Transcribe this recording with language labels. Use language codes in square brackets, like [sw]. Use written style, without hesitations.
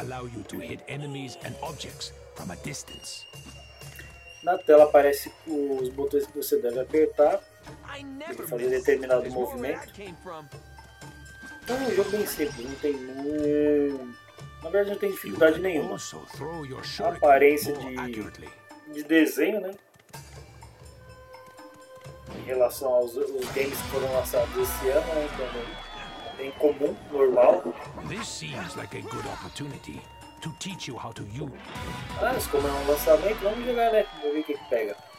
[en] Allow you to hit enemies and objects from a distance. [pt] Na tela aparece os botões que você deve apertar para fazer determinado movimento. Então, é um jogo bem simples, não tem muito... Na verdade, não tem dificuldade nenhuma. A aparência de desenho, né? Em relação aos games que foram lançados esse ano, né? Então, bem comum, normal. [en] This seems like a good opportunity to teach you how to use. [pt] Ah, mas como é um lançamento, vamos jogar, né? Vamos ver o que pega.